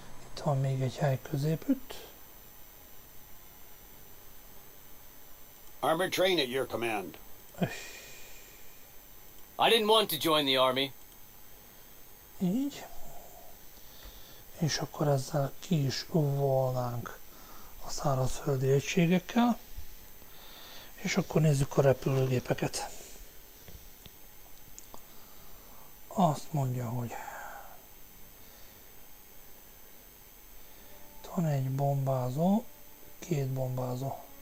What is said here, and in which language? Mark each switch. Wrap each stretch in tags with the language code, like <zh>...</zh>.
<hu>Itt van még egy hely középütt.</hu> <en>Armored train at your command. I didn't want to join the army.</en> <hu>Így. És akkor ezzel ki is volnánk a szárazföldi egységekkel. És akkor nézzük a repülőgépeket. Azt mondja, hogy itt van egy bombázó, két bombázó.</hu>